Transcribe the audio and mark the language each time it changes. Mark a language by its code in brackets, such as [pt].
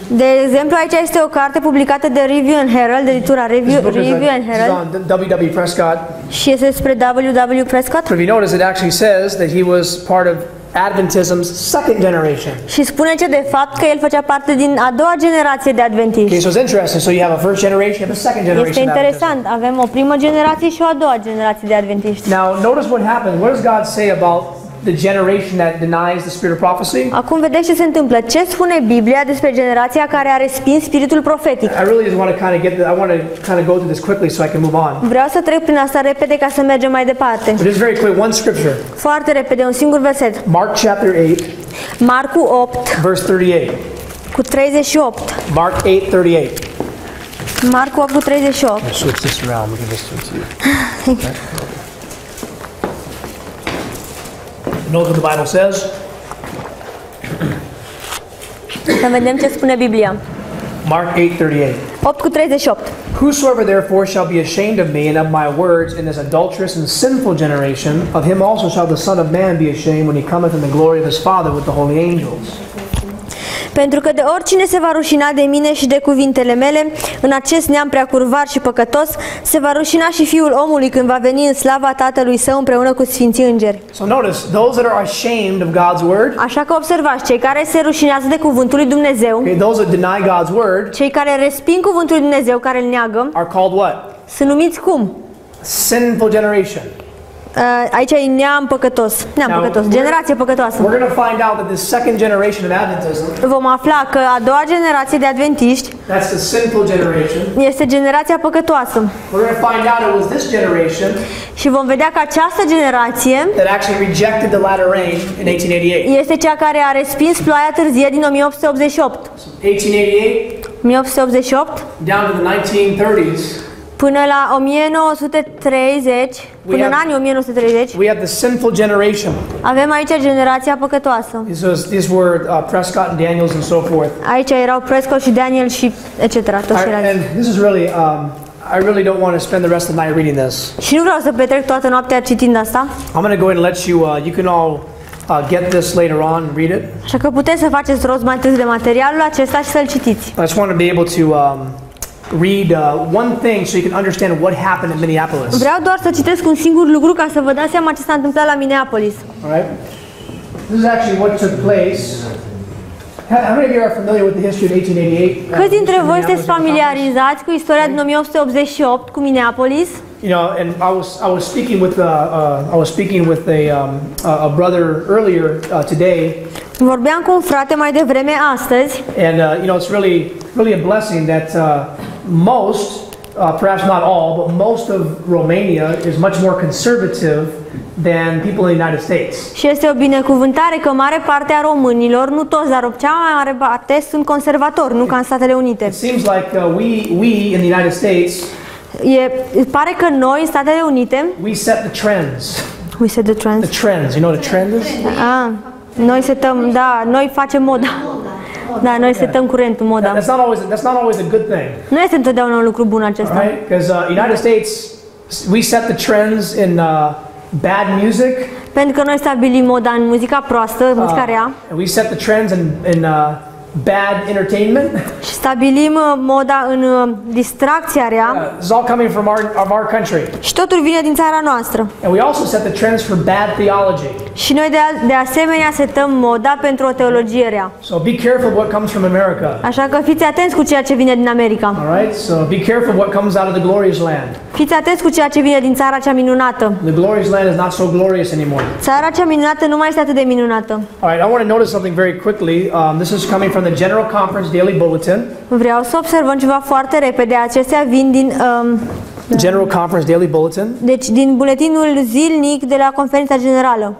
[ro] De exemplu, aici este o carte publicată de Review and Herald, de editura Review and Herald. W.W. Prescott. Și este despre W.W. Prescott. [en] But if you notice, it actually says that he was part of Adventism's second generation. [ro] Și spune ce de fapt că el făcea parte din a doua generație de adventiști. [en] Okay, so it's interesting. So you have a first generation, a second generation. [ro] Este interesant. Avem o primă generație și o a doua generație de adventiști. [en] Now, notice what happens. What does God say about the generation that denies the spirit of prophecy? [ro] Acum vedeți ce se întâmplă. Ce spune Biblia despre generația care a respins spiritul profetic? [en] I really just want to kind of get the, I want to kind of go through this quickly so I can move on. [ro] Vreau să trec prin asta repede ca să mergem mai departe. [en] Just very quick, one scripture. [ro] Foarte repede, un singur verset. [en] Mark chapter 8. [ro] Marcu 8. [en] Verse 38. [ro] Cu 38. [en] Mark 8:38. [ro] Marcu 8:38. [en] I'll switch this around. Let me just switch you. Know what the Bible says? [ro] Să vedem ce spune Biblia. [en] Mark 8:38. [ro] 8:38. [en] Whosoever therefore shall be ashamed of me and of my words in this adulterous and sinful generation, of him also shall the Son of Man be ashamed when he cometh in the glory of his Father with the holy angels. [ro] Pentru că de oricine se va rușina de mine și de cuvintele mele, în acest neam prea curvar și păcătos, se va rușina și Fiul omului când va veni în slava Tatălui Său împreună cu sfinții îngeri. [en] So notice, those that are ashamed of God's word, [ro] așa că observați, cei care se rușinează de cuvântul lui Dumnezeu, [en] okay, those that deny God's word, [ro] cei care resping cuvântul lui Dumnezeu, care îl neagă, [en] are called what? [ro] Sunt numiți cum? [en] Sinful generation. [ro] Aici e neam păcătos, generație păcătoasă. [en] We're going to find out that the second generation of Adventism, [ro] vom afla că a doua generație de adventiști, [en] that's the sinful generation, [ro] este generația păcătoasă. [en] We're going to find out it was this generation, [ro] și vom vedea că această generație, [en] that actually rejected the latter rain in 1888, [ro] este cea care a respins ploaia târzie din 1888. [en] 1888 down to the 1930s. [ro] Până la 1930, până în anii 1930, [en] we have the sinful generation. [ro] Avem aici generația păcătoasă. [en] These were Prescott and Daniels and so forth. [ro] Aici erau Prescott și Daniel și etc. [en] This is really, I really don't want to spend the rest of the night reading this. [ro] Și nu vreau să petrec toată noaptea citind asta. [en] I'm going to go ahead and let you, you can all get this later on, read it. [ro] Așa că puteți să faceți rost mai târziu de materialul acesta și să-l citiți. [en] I just want to be able to read one thing so you can understand what happened in Minneapolis. [ro] Vreau doar să citesc un singur lucru ca să vă dați seama ce s-a întâmplat la Minneapolis. [en] Alright. This is actually what took place. How many of you are familiar with the history of 1888? [ro] Câți dintre voi sunteți familiarizați cu istoria din 1888 cu Minneapolis? [en] You know, and I was speaking with a brother earlier today. [ro] Vorbeam cu un frate mai devreme astăzi. [en] And you know, it's really a blessing that most, perhaps not all, but most of Romania is much more conservative than people in the United States. [ro] Și este o binecuvântare că mare parte a românilor, nu toți, dar cea mai mare parte, sunt conservatori, nu ca în Statele Unite. [en] It seems like we in the United States, [ro] pare că noi în Statele Unite, [en] we set the trends. We set the trends. The trends, you know what a trend is? [ro] Ah, noi setăm, da, noi facem moda. Da, noi setăm curentul, moda. [en] That's not always a good thing. [ro] Nu este întotdeauna un lucru bun acesta. [en] Right? Because United States, we set the trends in bad music. [ro] Pentru că noi stabilim moda în muzica proastă, muzica rea. [en] We set the trends in bad entertainment. [ro] Și stabilim moda în distracția rea. [en] It's all coming from our country. [ro] Și totul vine din țara noastră. [en] And we also set the trends for bad theology. [ro] Și noi de asemenea setăm moda pentru o teologie rea. [en] So be careful what comes from America. [ro] Așa că fiți atenți cu ceea ce vine din America. [en] All right? So be careful what comes out of the glorious land. [ro] Fiți atenți cu ceea ce vine din țara cea minunată. [en] The glorious land is not so glorious anymore. [ro] Țara cea minunată nu mai este atât de minunată. [en] All right, I want to notice something very quickly. This is coming from the General Conference Daily Bulletin. [ro] Vreau să observăm ceva foarte repede. Acestea vin din General Conference Daily Bulletin. Deci din buletinul zilnic de la Conferința Generală.